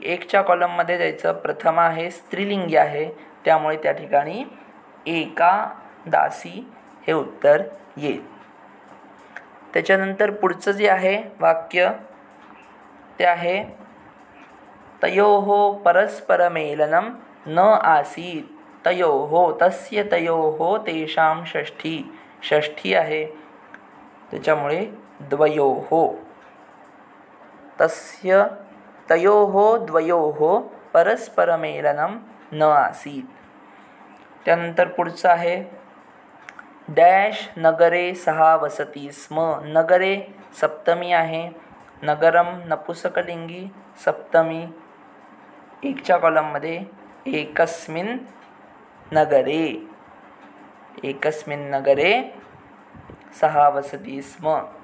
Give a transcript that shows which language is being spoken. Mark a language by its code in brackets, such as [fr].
[mr] एकच्या कॉलममध्ये जायचं, प्रथम आहे स्त्रीलिंगी आहे त्यामुळे त्या ठिकाणी एका दासी हे उत्तर येईल। त्याच्यानंतर पुढचं जे आहे वाक्य ते आहे, [sa] तयोः परस्परमेलनं न आसीत। तयोः तस्य तयोः तेषां षष्ठी, षष्ठी [mr] आहे त्याच्यामुळे [sa] द्वयोः, तस्य तयोः द्वयोः परस्परमेलनं न आसीत। [mr] त्यानंतर पुढचं आहे, डॅश [sa] नगरे सहा वसती स्म। [mr] नगरे सप्तमी आहे, नगरम नपुसकलिंगी सप्तमी, एकच्या कॉलममध्ये [sa] एकस्मिन नगरे, एकस्मिन नगरे सहा वसती स्म।